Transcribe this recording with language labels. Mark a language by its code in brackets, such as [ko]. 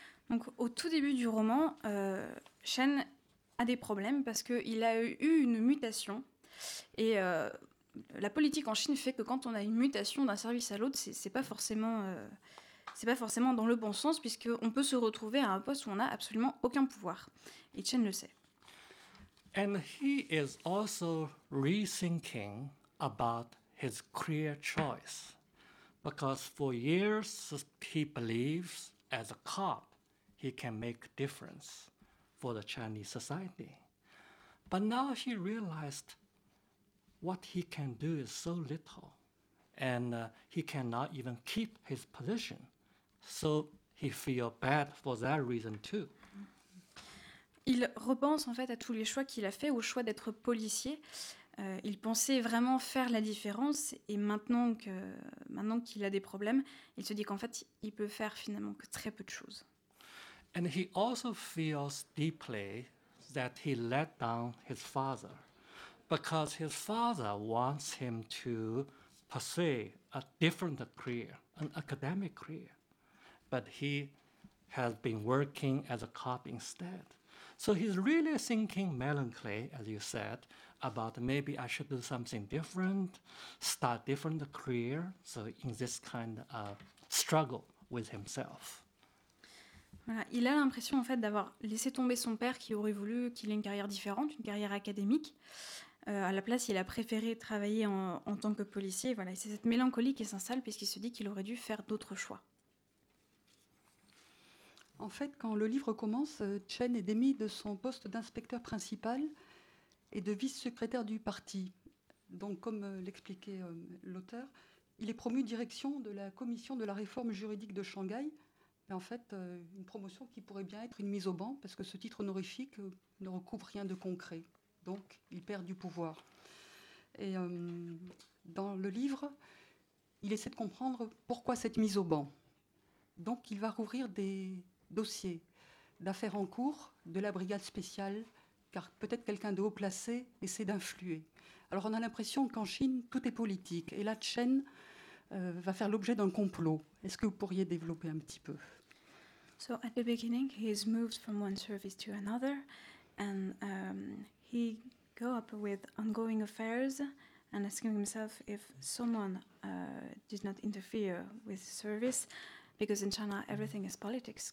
[fr] Donc, au tout début du roman, Chen a des problèmes parce qu'il a eu une mutation. Et la politique en Chine fait que quand on a une mutation d'un service à l'autre, c'est pas forcément dans le bon sens, puisqu'on peut se retrouver à un poste où on n'a absolument aucun pouvoir. Et Chen le sait. [en] And he is also rethinking about his career choice. Because for years, he believes as a cop, he can make a difference for the Chinese society. But now he realized what he can do is so little, and he cannot even keep his position. So he feels bad for that reason too. [fr] Il repense en fait à tous les choix qu'il a fait, au choix d'être policier. Il pensait vraiment faire la différence, et maintenant qu'il a des problèmes, il se dit qu'en fait, il peut faire finalement que très peu de choses. [en] And he also feels deeply that he let down his father, because his father wants him to pursue a different career, an academic career. But he has been working as a cop instead. So he's really thinking melancholy, as you said, about maybe I should do something different, start different career, so in this kind of struggle with himself. [fr] Voilà. Il a l'impression en fait d'avoir laissé tomber son père qui aurait voulu qu'il ait une carrière différente, une carrière académique. À la place, il a préféré travailler en tant que policier. Voilà. C'est cette mélancolie qui s'installe puisqu'il se dit qu'il aurait dû faire d'autres choix. En fait, quand le livre commence, Chen est démis de son poste d'inspecteur principal et de vice-secrétaire du parti. Donc, comme l'expliquait l'auteur, il est promu direction de la commission de la réforme juridique de Shanghai. Mais en fait, une promotion qui pourrait bien être une mise au ban, parce que ce titre honorifique ne recouvre rien de concret. Donc, il perd du pouvoir. Et dans le livre, il essaie de comprendre pourquoi cette mise au ban. Donc, il va rouvrir des dossiers d'affaires en cours de la brigade spéciale, car peut-être quelqu'un de haut placé essaie d'influer. Alors, on a l'impression qu'en Chine, tout est politique. Et là, Chen va faire l'objet d'un complot. Est-ce que vous pourriez développer un petit peu? [en] So at the beginning, he is moved from one service to another, and he go up with ongoing affairs and asking himself if someone did not interfere with service, because in China everything is politics.